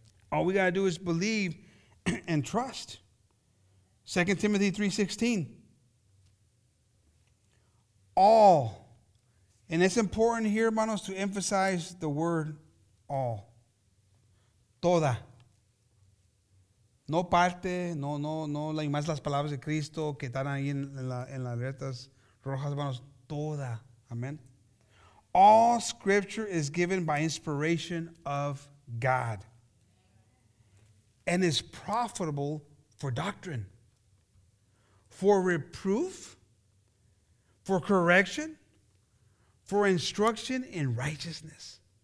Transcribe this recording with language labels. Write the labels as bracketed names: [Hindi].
[English] All we got to do is believe and trust. 2 Timothy 3:16. All. And it's important here, hermanos, to emphasize the word all. [Spanish] Toda. No parte, no más las palabras de Cristo que están ahí en las letras rojas, hermanos. Toda. Amen. [English] All scripture is given by inspiration of God and is profitable for doctrine, for reproof, for correction, for instruction in righteousness.